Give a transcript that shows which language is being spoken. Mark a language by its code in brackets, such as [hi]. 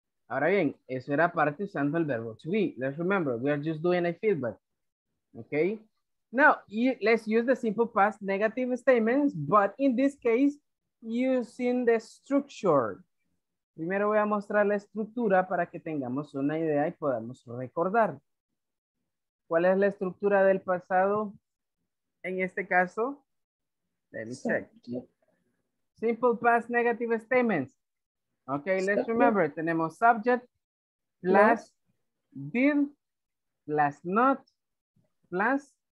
[es] Ahora bien, eso era parte usando el verbo to be. [en] Let's remember, we are just doing a feedback, okay? Now, let's use the simple past negative statements, but in this case, using the structure. [es] Primero voy a mostrar la estructura para que tengamos una idea y podamos recordar. ¿Cuál es la estructura del pasado en este caso? [en] Let me check. Simple past negative statements. Okay, let's remember, [es] tenemos [en] subject plus did plus not plus